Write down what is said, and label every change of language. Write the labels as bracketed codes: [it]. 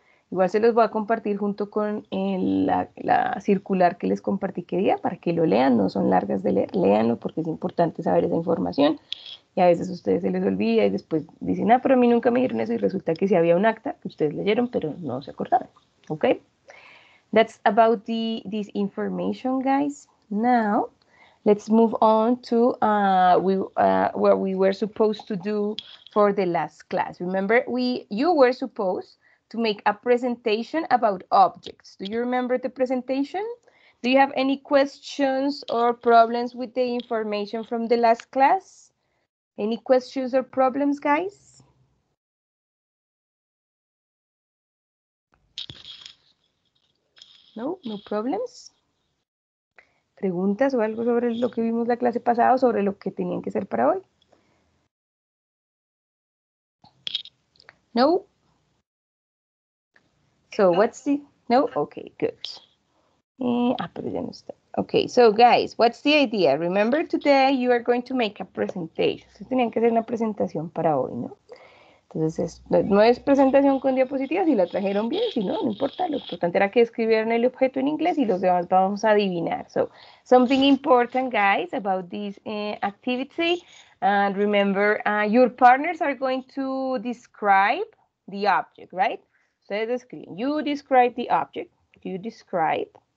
[es] Igual se los voy a compartir junto con la circular que les compartí que día, para que lo lean, no son largas de leer, léanlo porque es importante saber esa información. Y a veces a ustedes se les olvida y después dicen, ah, pero a mí nunca me dijeron eso. Y resulta que sí había un acta que ustedes leyeron, pero no se acordaron. [en] ¿Ok? That's about this information, guys. Now, let's move on to what we were supposed to do for the last class. Remember, you were supposed to make a presentation about objects. Do you remember the presentation? Do you have any questions or problems with the information from the last class? Any questions or problems, guys? No, no problems. [es] ¿Preguntas o algo sobre lo que vimos la clase pasada o sobre lo que tenían que hacer para hoy? No. [en] So, what's the... No? Okay, good. [es] Pero ya no está. [en] Okay, so guys, what's the idea? Remember today you are going to make a presentation. [es] Ustedes tenían que hacer una presentación para hoy, ¿no? Entonces, no es presentación con diapositivas, si la trajeron bien, si no, no importa. Lo importante era que escribieran el objeto en inglés y los demás vamos a adivinar. [en] So, something important, guys, about this activity. And remember, your partners are going to describe the object, right? So, you describe the object. You describe